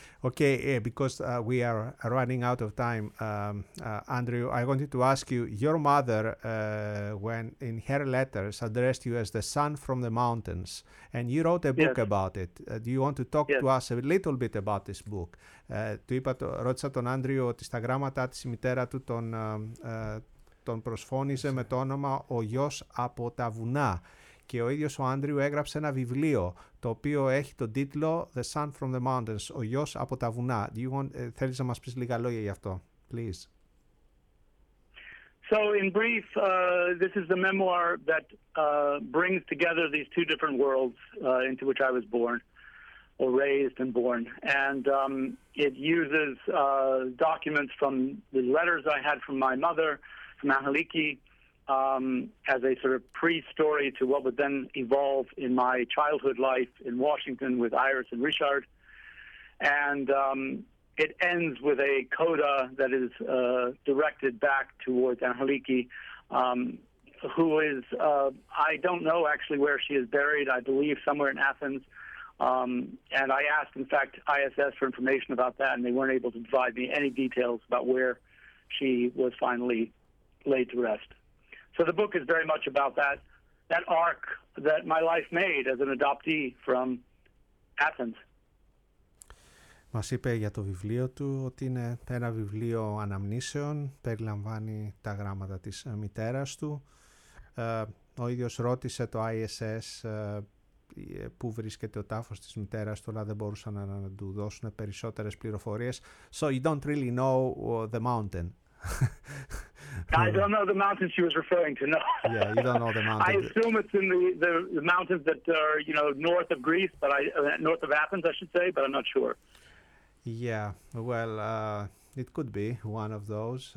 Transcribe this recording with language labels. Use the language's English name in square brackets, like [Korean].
[English] Okay, because we are running out of time, Andrew, I wanted to ask you, your mother, when in her letters, addressed you as the son from the mountains, and you wrote a book about it. Do you want to talk to us a little bit about this book? [Greek] Ρώτησα τον Άντριο ότι στα γράμματα της η μητέρα του τον τον προσφώνησε με το όνομα «Ο γιος από τα βουνά». Και ο ίδιος ο Άντριου έγραψε ένα βιβλίο, το οποίο έχει τον τίτλο [English] «The Son from the Mountains», [Greek] «Ο γιος από τα βουνά». Θέλεις να μας πεις λίγα λόγια γι' αυτό, please. [English] So in brief, this is the memoir that brings together these two different worlds into which I was born, or raised and born. And it uses documents from the letters I had from my mother, from Angeliki, as a sort of pre-story to what would then evolve in my childhood life in Washington with Iris and Richard. And it ends with a coda that is directed back towards Angeliki, who is, I don't know actually where she is buried. I believe somewhere in Athens. And I asked, in fact, ISS for information about that, and they weren't able to provide me any details about where she was finally laid to rest. So the book is very much about that arc that my life made as an adoptee from Athens. [Greek] Μας είπε για το βιβλίο του ότι είναι ένα βιβλίο αναμνήσεων, περιλαμβάνει τα γράμματα της μητέρας του. Ο ίδιος ρώτησε το ISS πού βρίσκεται ο τάφος της μητέρας του, αλλά δεν μπορούσαν να του δώσουν περισσότερες πληροφορίες. [English] So you don't really know the mountain. I don't know the mountain she was referring to, no. Yeah, you don't know the mountain. I assume it's in the mountains that are, you know, north of Greece, but north of Athens, I should say, but I'm not sure. Yeah, well, it could be one of those.